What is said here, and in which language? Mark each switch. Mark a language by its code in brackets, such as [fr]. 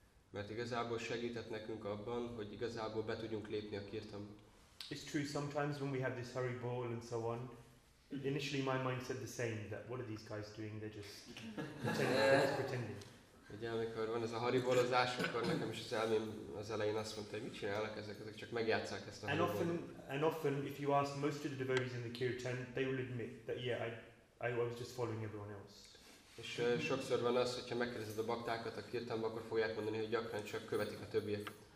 [hu] Mert igazából segített nekünk abban, hogy igazából be tudjunk lépni a kirtanba. [en] It's true, sometimes when we have this hurry ball and so on, initially my mind said the same, that what are these guys doing, they're just pretending. [hu] Ugye, amikor van ez a haribolozás, akkor nekem is az elmém az elején azt mondta, hogy mit csinálnak ezek csak megjátszák ezt a haribolot. [en] And often, if you ask most of the devotees in the kirtan, they will admit that I was just following everyone else. [hu] És sokszor van az, hogyha megkérdezed a baktákat a kirtanba, akkor fogják mondani, hogy gyakran csak követik a többiek.